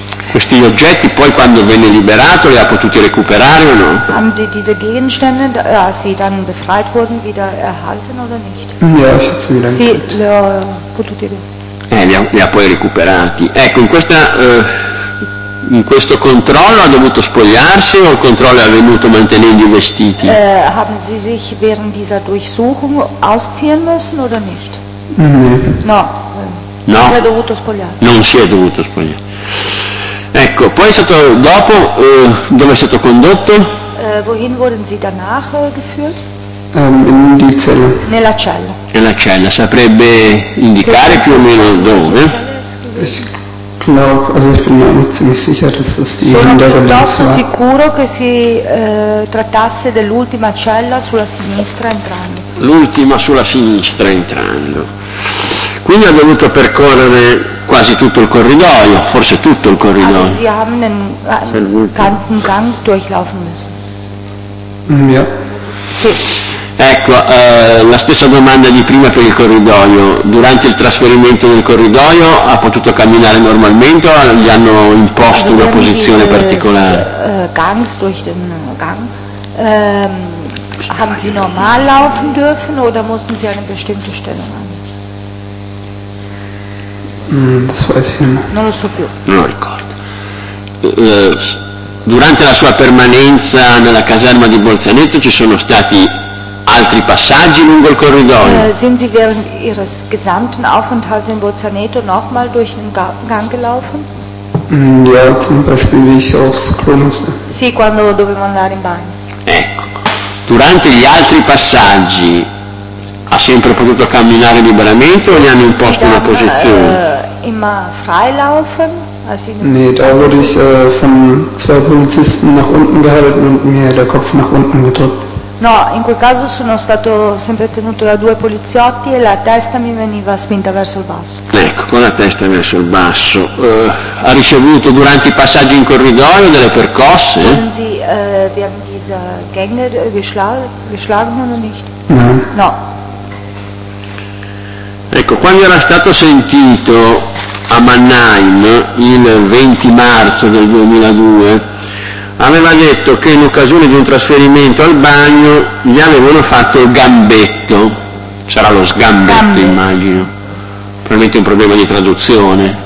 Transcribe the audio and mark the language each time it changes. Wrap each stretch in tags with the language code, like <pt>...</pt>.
<it>Questi oggetti poi quando venne liberato li ha potuti recuperare o no?</it> <de>Haben Sie diese Gegenstände, als Sie dann befreit wurden, wieder erhalten oder nicht? Ja, ich hab sie wieder.</de> <it>Sì, li ho potuti recuperare. Li ha poi recuperati. Ecco, in questo controllo ha dovuto spogliarsi o il controllo è avvenuto mantenendo i vestiti?</it> <de>Haben Sie sich während dieser Durchsuchung ausziehen müssen oder nicht? Mm-hmm.</de> <it>No. No. Si è dovuto spogliare. Non si è dovuto spogliare. Ecco, poi è stato dopo dove è stato condotto?</it> <de>Wohin wurden Sie danach geführt? in die Zelle.</de> <it>Nella cella. Nella cella, saprebbe indicare più o meno dove? Sono piuttosto sicuro che si trattasse dell'ultima cella sulla sinistra entrando. L'ultima sulla sinistra entrando. Quindi ha dovuto percorrere quasi tutto il corridoio, forse tutto il corridoio.</it> <de>Sie haben den ganzen Gang durchlaufen müssen. Ja.</de> <it>Sì. Ecco, la stessa domanda di prima per il corridoio. Durante il trasferimento del corridoio ha potuto camminare normalmente o gli hanno imposto una posizione particolare?</it> <de>Ganz durch den Gang. Haben Sie normal laufen dürfen oder mussten Sie eine bestimmte Stellung haben? Das weiß ich nicht.</de> <it>Non lo so più. Non lo ricordo. Durante la sua permanenza nella caserma di Bolzanetto ci sono stati altri passaggi lungo il corridoio?</it> <de>Sind Sie während Ihres gesamten Aufenthalts in Bolzanetto nochmal durch den Gang gelaufen? Ja, zum Beispiel wie ich aufs Klo musste.</de> <it>Sì, quando dovevo andare in bagno. Ecco, durante gli altri passaggi ha sempre potuto camminare liberamente o gli hanno imposto una posizione?</it> <de>Immer frei laufen? Nee, da wurde ich von zwei Polizisten nach unten gehalten und mir der Kopf nach unten gedrückt.</de> <it>No, in quel caso sono stato sempre tenuto da due poliziotti e la testa mi veniva spinta verso il basso. Ecco, con la testa verso il basso. Ha ricevuto durante i passaggi in corridoio delle percosse?</it> <de>Haben Sie während dieser Gänge geschlagen oder nicht?</de> <it>No. No. Ecco, quando era stato sentito a Mannheim il 20 marzo del 2002, aveva detto che in occasione di un trasferimento al bagno gli avevano fatto il gambetto. Sarà lo sgambetto, gambe. Immagino. Probabilmente è un problema di traduzione.</it>